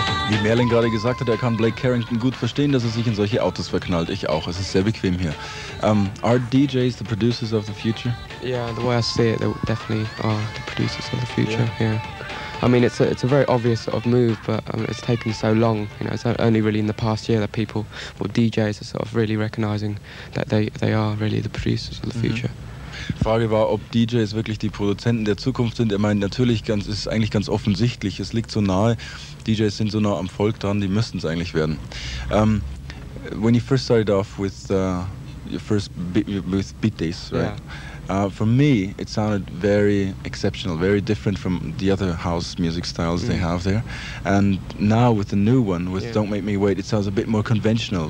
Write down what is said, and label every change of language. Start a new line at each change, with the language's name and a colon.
German: Wie Merlin gerade gesagt hat, er kann Blake Carrington gut verstehen, dass er sich in solche Autos verknallt. Ich auch. Es ist sehr bequem hier.
English: Are DJs the producers of the future? Yeah, the way I see it, they definitely are the producers of the future. Yeah. Yeah. I mean, it's a very obvious sort of move, but it's taken so long. You know, it's only really in the past year that people or DJs are sort of really recognizing that they are really the producers of the future. Mm-hmm.
German: Frage war, ob DJs wirklich die Produzenten der Zukunft sind. Er meint, natürlich ganz, ist es eigentlich ganz offensichtlich, es liegt so nahe. DJs sind so nah am Volk dran, die müssten es eigentlich werden.
English: When you first started off with your first with Beat Days, right? Yeah. For me, it sounded very exceptional, very different from the other house music styles they have there. And now with the new one, with Don't Make Me Wait, it sounds a bit more conventional.